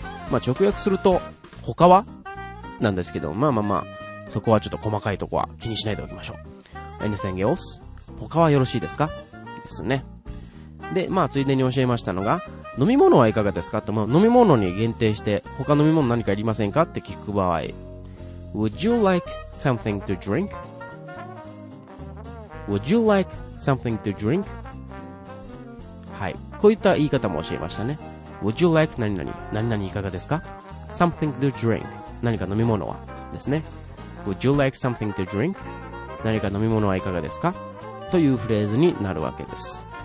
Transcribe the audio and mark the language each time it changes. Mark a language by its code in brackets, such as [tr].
[ja] まあ直訳すると他はなんですけど、まあまあまあそこはちょっと細かいとこは気にしないでおきましょう。 [en] Anything else? [ja] 他はよろしいですか？ですね。で、まあついでに教えましたのが、飲み物はいかがですかと、まあ飲み物に限定して他飲み物何かいりませんかって聞く場合、 [en] Would you like something to drink? Would you like something to drink? [ja] はい、こういった言い方も教えましたね。 [en] Would you like [ja] 何々何々いかがですか。 [en] Something to drink [ja] 何か飲み物はですね。 [en] Would you like something to drink [ja] 何か飲み物はいかがですかというフレーズになるわけです。